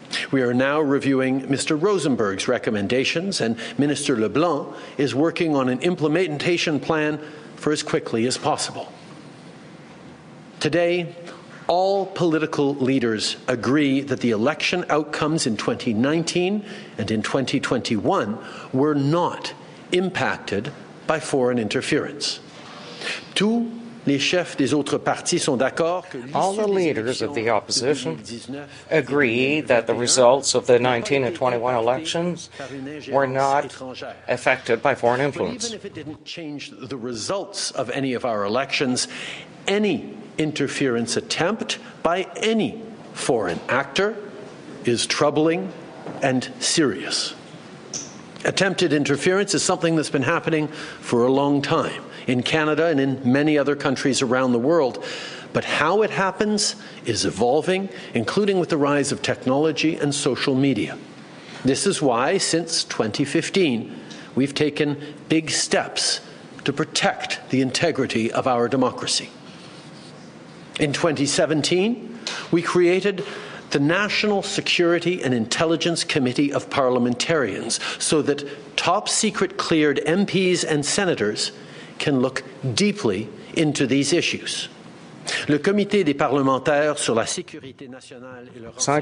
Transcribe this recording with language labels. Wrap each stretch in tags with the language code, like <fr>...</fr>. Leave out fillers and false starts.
<en>We are now reviewing Mr. Rosenberg's recommendations, and Minister LeBlanc is working on an implementation plan for as quickly as possible. Today, all political leaders agree that the election outcomes in 2019 and in 2021 were not impacted by foreign interference.</en> <fr>Tous les chefs des autres partis sont d'accord.</fr> <en>All the leaders of the opposition agree that the results of the 19 and 21 elections were not affected by foreign influence. But even if it didn't change the results of any of our elections, any interference attempt by any foreign actor is troubling and serious. Attempted interference is something that's been happening for a long time in Canada and in many other countries around the world. But how it happens is evolving, including with the rise of technology and social media. This is why, since 2015, we've taken big steps to protect the integrity of our democracy. In 2017, we created the National Security and Intelligence Committee of Parliamentarians so that top-secret cleared MPs and senators can look deeply into these issues.</en> <fr>Le Comité des parlementaires sur la sécurité nationale et le</fr>